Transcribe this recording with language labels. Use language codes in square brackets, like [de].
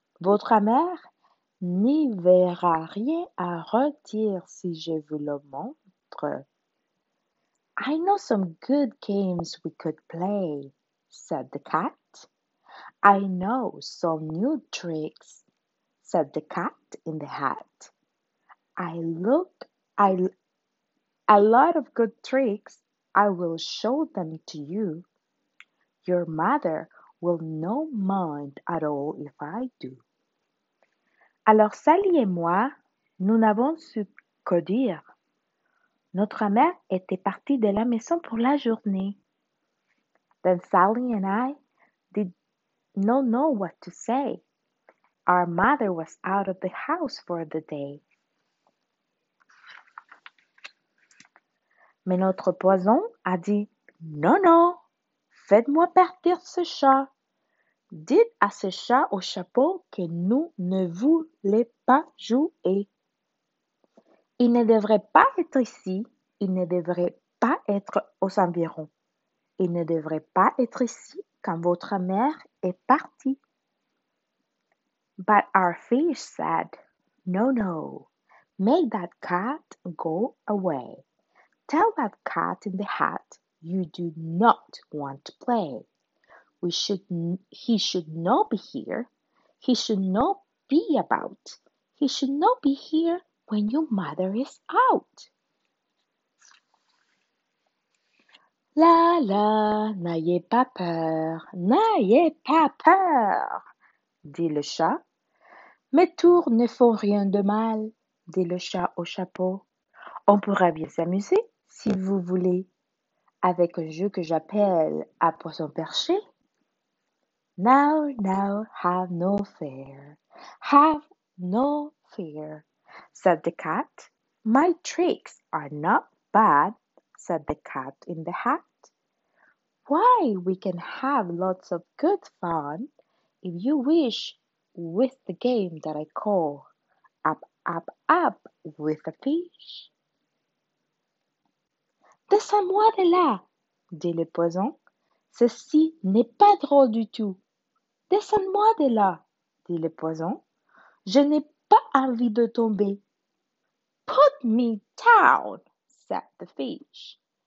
[fr] Votre mère n'y verra rien à redire si je vous le montre. [en] I know some good games we could play, said the cat. I know some new tricks, said the cat in the hat. A lot of good tricks, I will show them to you. Your mother will not mind at all if I do. [fr] Alors Sally et moi, nous n'avons su que dire. Notre mère était partie de la maison pour la journée. [en] Then Sally and I did not know what to say. Our mother was out of the house for the day. [fr] Mais notre poison a dit, non, non, faites-moi partir ce chat. Dites à ce chat au chapeau que nous ne voulons pas jouer. Il ne devrait pas être ici. Il ne devrait pas être aux environs. Il ne devrait pas être ici quand votre mère est partie. [en] But our fish said, no, no, Make that cat go away. Tell that cat in the hat you do not want to play. He should not be here. He should not be about. He should not be here when your mother is out. [fr] La la, n'ayez pas peur, n'ayez pas peur, dit le chat. Mes tours ne font rien de mal, dit le chat au chapeau. On pourra bien s'amuser, si vous voulez, avec un jeu que j'appelle à poisson perché. [en] Now, now, have no fear, have no fear, said the cat. My tricks are not bad, said the cat in the hat. Why, we can have lots of good fun if you wish with the game that I call Up, Up, Up with a Fish. [fr] C'est à moi de là, dit le poisson. Ceci n'est pas drôle du tout. Descends-moi de là, dit le poison. Je n'ai pas envie de tomber. [en] Put me down, said the fish.